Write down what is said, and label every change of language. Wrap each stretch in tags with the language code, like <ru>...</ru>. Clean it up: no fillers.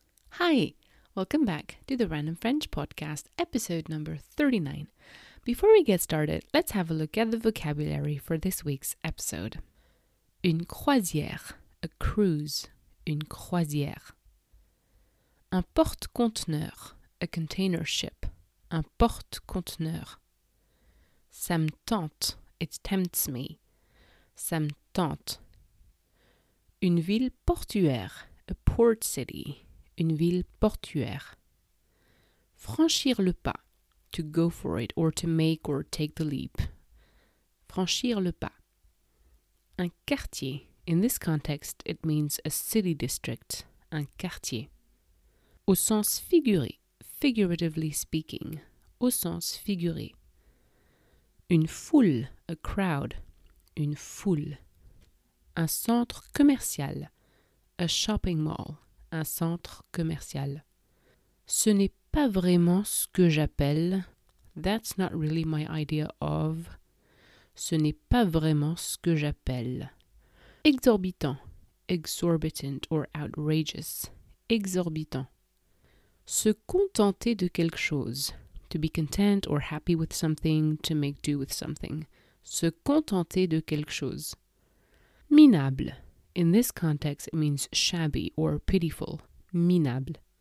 <en>Hi! Welcome back to the Random French Podcast, episode number 39. Before we get started, let's have a look at the vocabulary for this week's episode.</en> <fr>Une croisière,</fr> <en>a cruise,</en> <fr>une croisière. Un porte-conteneur,</fr> <en>a container ship,</en> <fr>un porte-conteneur. Ça me tente,</fr> <en>it tempts me,</en> <fr>ça me tente. Une ville portuaire,</fr> <en>a port city.</en> <fr>Une ville portuaire. Franchir le pas.</fr> <en>To go for it or to make or take the leap.</en> <fr>Franchir le pas. Un quartier.</fr> <en>In this context, it means a city district.</en> <fr>Un quartier. Au sens figuré.</fr> <en>Figuratively speaking.</en> <fr>Au sens figuré. Une foule.</fr> <en>A crowd.</en> <fr>Une foule. Un centre commercial.</fr> <en>A shopping mall.</en> <fr>Un centre commercial. Ce n'est pas vraiment ce que j'appelle.</fr> <en>That's not really my idea of.</en> <fr>Ce n'est pas vraiment ce que j'appelle. Exorbitant.</fr> <en>Exorbitant or outrageous. Exorbitant.</en> <fr>Se contenter de quelque chose.</fr> <en>To be content or happy with something. To make do with something.</en> <fr>Se contenter de quelque chose. Minable.</fr> <en>In this context, it means shabby or pitiful, minable.</en>